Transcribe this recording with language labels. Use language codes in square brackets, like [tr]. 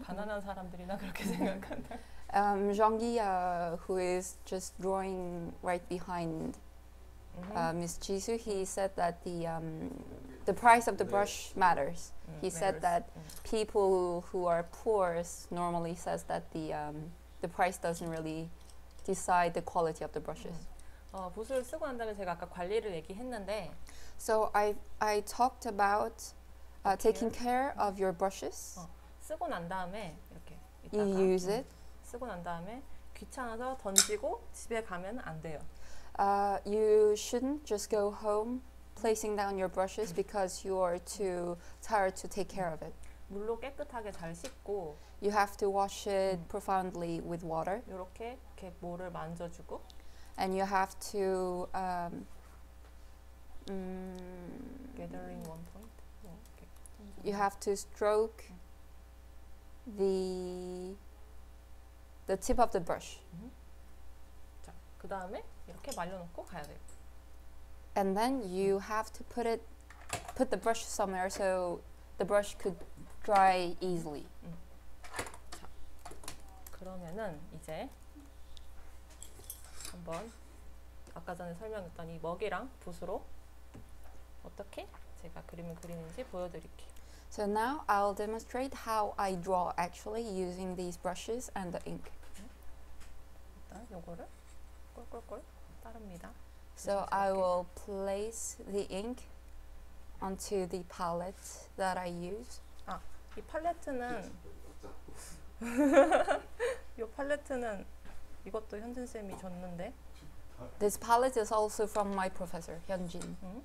[ko] 가난한 사람들이나 그렇게 생각한다. [en] Jeonggi, who is just drawing right behind Ms. Jisu, he said that the price of the brush matters. He said that people who are poor normally says that the price doesn't really decide the quality of the brushes. [ko] 붓을 쓰고 난 다음에 제가 아까 관리를 얘기했는데. [en] So I talked about taking care of your brushes. [ko] 쓰고 난 다음에 이렇게. [en] You use it. [ko] 쓰고 난 다음에 귀찮아서 던지고 집에 가면 안 돼요. [en] You shouldn't just go home placing down your brushes because you are too tired to take care of it. [ko] 물로 깨끗하게 잘 씻고. [en] You have to wash it profoundly with water. [ko] 이렇게 뭐를 만져주고. [en] And you have to. Gathering one point. You have to stroke the tip of the brush. [ko] 자, 그 다음에 이렇게 말려놓고 가야 돼요. [en] And then you have to put it, put the brush somewhere so the brush could dry easily. [ko] 자, 그러면은 이제 한번 아까 전에 설명했던 이 먹이랑 붓으로 어떻게 제가 그림을 그리는지 보여드릴게요. [en] So now I'll demonstrate how I draw actually using these brushes and the ink. [ko] 일단 요거를 꿀꿀꿀 따릅니다. [en] So I will place the ink onto the palette that I use. [ko] 아, 이 팔레트는 요 팔레트는 이것도 현진 쌤이 줬는데. [en] This palette is also from my professor, Hyunjin.